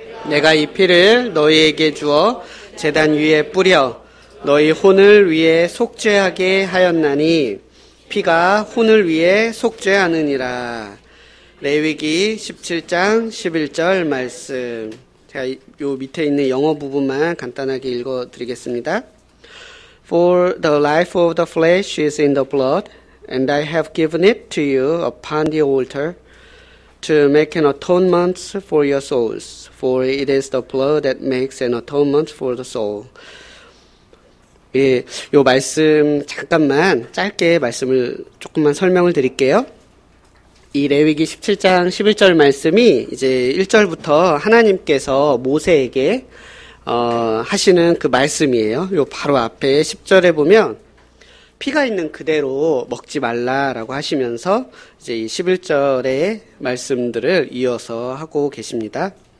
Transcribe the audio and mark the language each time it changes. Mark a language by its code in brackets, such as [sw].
[ko] 내가 이 피를 너희에게 주어 제단 위에 뿌려 너희 혼을 위해 속죄하게 하였나니 피가 혼을 위해 속죄하느니라. 레위기 17장 11절 말씀. 제가 요 밑에 있는 영어 부분만 간단하게 읽어드리겠습니다. [en] For the life of the flesh is in the blood, and I have given it to you upon the altar to make an atonement for your souls. For it is the blood that makes an atonement for the soul. [ko] 예, 요 말씀 잠깐만 짧게 말씀을 조금만 설명을 드릴게요. 이 레위기 17장 11절 말씀이 이제 1절부터 하나님께서 모세에게 하시는 그 말씀이에요. 요 바로 앞에 10절에 보면 피가 있는 그대로 먹지 말라라고 하시면서 이제 이 11절의 말씀들을 이어서 하고 계십니다.